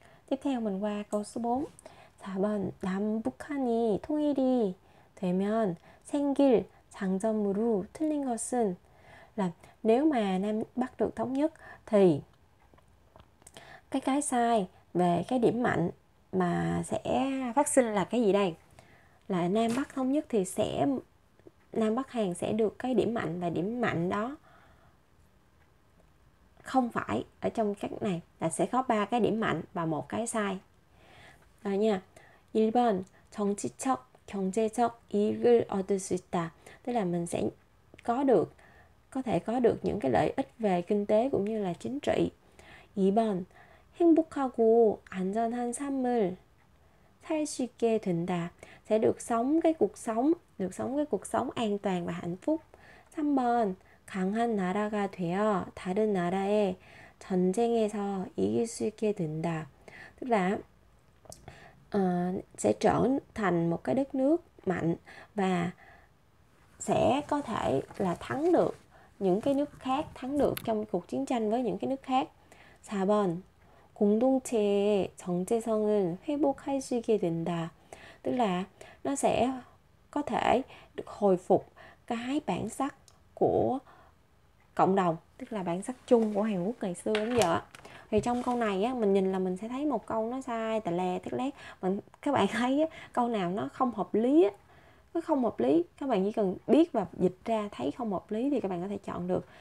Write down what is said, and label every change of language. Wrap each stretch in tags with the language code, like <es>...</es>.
<vi>Tiếp theo mình qua câu số 4.</vi> <ko>4번 남북한이 통일이 되면 생길 장점으로 틀린 것은,</ko> <vi>là nếu mà Nam Bắc được thống nhất thì cái sai về cái điểm mạnh mà sẽ phát sinh là cái gì đây? Là Nam Bắc thống nhất thì sẽ Nam Bắc Hàn sẽ được cái điểm mạnh, và điểm mạnh đó không phải ở trong cái này, là sẽ có ba cái điểm mạnh và một cái sai. Rồi nha.</vi> <ko>1번 정치적, 경제적 이익을 얻을 수 있다.</ko> <vi>Tức là mình sẽ có thể có được những cái lợi ích về kinh tế cũng như là chính trị.</vi> <ko>2번 행복하고 안전한 삶을 살수 있게 된다.</ko> <vi>Sẽ được sống cái cuộc sống an toàn và hạnh phúc.</vi> <ko>3번 강한 나라가 되어 다른 나라의 전쟁에서 이길 수 있게 된다.</ko> <vi>Tức là sẽ trở thành một cái đất nước mạnh và sẽ có thể là thắng được những cái nước khác, thắng được trong cuộc chiến tranh với những cái nước khác.</vi> <ko>4번 공동체의 정체성을 회복할 수 있게 된다.</ko> <vi>Tức là nó sẽ có thể được hồi phục cái bản sắc của cộng đồng, tức là bản sắc chung của Hàn Quốc ngày xưa đến giờ. Thì trong câu này á, mình nhìn là mình sẽ thấy một câu nó sai tà lè tức lét. Các bạn thấy á, câu nào nó không hợp lý á, nó không hợp lý, các bạn chỉ cần biết và dịch ra thấy không hợp lý thì các bạn có thể chọn được.</vi>